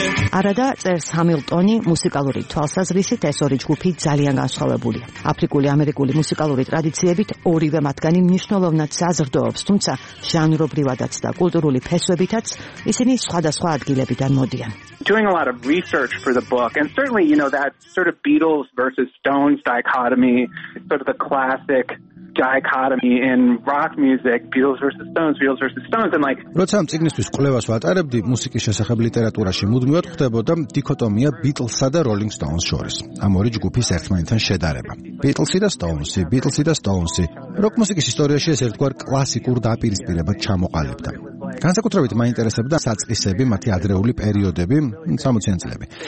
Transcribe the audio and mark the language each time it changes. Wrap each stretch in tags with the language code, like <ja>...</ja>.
<ka>Арада წერს ჰამილტონი მუსიკალური თვალსაზრისით ეს ორი ჯგუფი ძალიან განსხვავებულია. აფრიკული ამერიკული მუსიკალური ტრადიციებით ორივე მათგანი მნიშვნელოვნად საზრდოობს, თუმცა ჟანრობრივადაც და კულტურული ფესვებითაც ისინი სხვადასხვა ადგილებიდან მოდიან.</ka> <en>Doing a lot of research for the book and certainly you know that sort of Beatles versus Stones dichotomy, sort of the classic dichotomy in rock music, Beatles versus Stones and like</en> <ka>როცა წიგნისთვის კვლევას ვატარებდი მუსიკის შესახებ ლიტერატურაში მუდმივად ხდებოდა დიქოტომია Beatles-სა და Rolling Stones შორის. ამ ორი ჯგუფის ერთმანეთთან შედარება. Beatles-ი და Stones-ი როკ მუსიკის ისტორიაში ეს ერთგვარ კლასიკურ დაპირისპირებას ჩამოყალიბდა. განსაკუთრებით მაინტერესებდა საწყისები, მათი ადრეული პერიოდები, 60-იან წლები.</ka>